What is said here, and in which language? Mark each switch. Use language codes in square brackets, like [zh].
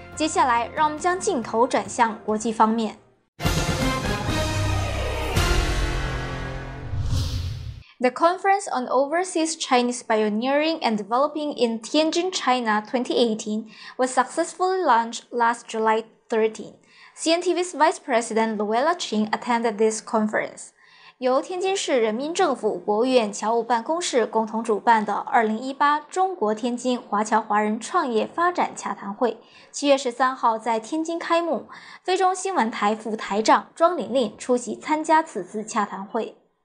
[zh] 接下来，让我们将镜头转向国际方面。 [en] The Conference on Overseas Chinese Pioneering and Developing in Tianjin, China 2018 was successfully launched last July 13. CNTV's Vice President Luella Qing attended this conference. [zh] 由天津市人民政府国务院侨务办公室共同主办的2018中国天津华侨华人创业发展洽谈会7月13号在天津开幕，非中新闻台副台长庄玲玲出席参加此次洽谈会。